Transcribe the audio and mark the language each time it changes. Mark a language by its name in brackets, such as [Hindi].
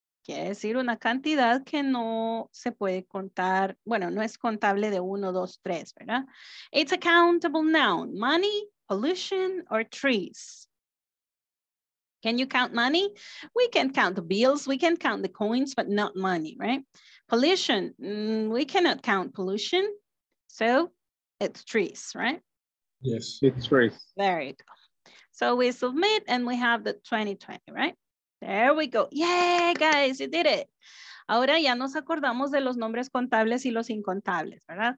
[Spanish] Quiere decir una cantidad que no se puede contar, bueno, no es contable de uno, dos, tres, ¿verdad? [English] It's a countable noun, money, pollution, or trees. Can you count money? We can count the bills, we can count the coins, but not money, right? Pollution, we cannot count pollution. So it's trees, right? Yes, it's trees. Very good. So we submit and we have the 2020, right? There we go. Yay, guys, you did it. [Spanish] Ahora ya nos acordamos de los nombres contables y los incontables, ¿verdad?